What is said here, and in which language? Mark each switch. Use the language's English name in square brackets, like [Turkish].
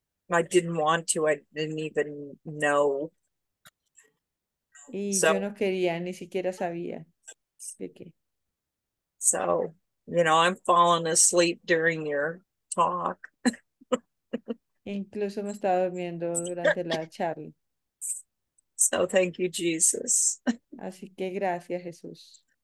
[English] I didn't want to, I didn't even know. [Spanish] Y [English] So, [Spanish] yo no quería, ni siquiera sabía de qué. [English] you know, I'm falling asleep during your talk. [Spanish] Incluso me estaba durmiendo durante la charla. [English] So thank you, Jesus. [Spanish] Así que gracias, Jesús.